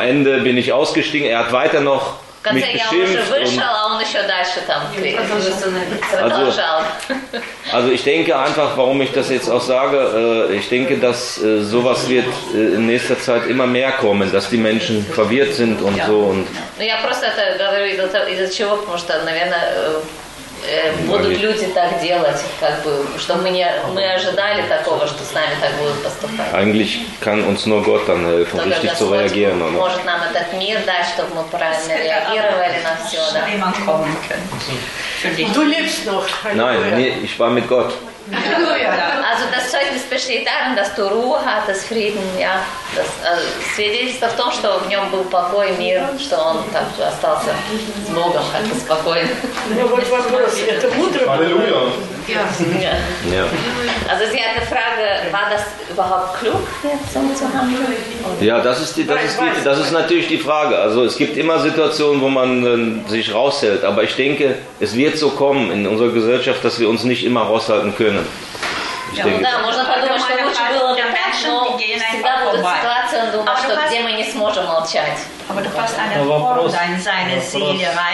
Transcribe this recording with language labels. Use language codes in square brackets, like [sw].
[de] Ende bin ich ausgestiegen, er hat weiter noch mich beschimpft. Also ich denke einfach, warum ich das jetzt auch sage, ich denke, dass sowas wird in nächster Zeit immer mehr kommen, dass die Menschen verwirrt sind und so. Und [ru] я просто это говорю из-за чего, потому что, наверное, будут люди так делать, как бы, что мы ожидали такого, что с нами так будут поступать. [de] Eigentlich kann uns nur Gott dann helfen, richtig zu reagieren. [ru] Может нам этот мир дать, чтобы мы правильно реагировали на все, да? [de] Du lebst noch. Nein, nee, ich war mit Gott. Also das Zeugnis besteht darin, dass du Ruhe hattest, Frieden, ja. [ru] Das свидетельство в том, что в нем был покой, мир, что он так остался с Богом, как бы спокойно. Ja, вот вопрос, это мудро. Аллилуйя. [de] Ja. Also sie hat eine Frage, war das überhaupt klug, jetzt so zu handeln? Ja, das ist natürlich die Frage. Also es gibt immer Situationen, wo man sich raushält. Aber ich denke, es wird so kommen in unserer Gesellschaft, dass wir uns nicht immer raushalten können. Ich denke, ja, [ru] можно подумать, что лучше было бы так, но всегда будут ситуации, он думает, что где мы не сможем молчать. [de] Aber du hast eine Form, deine Seele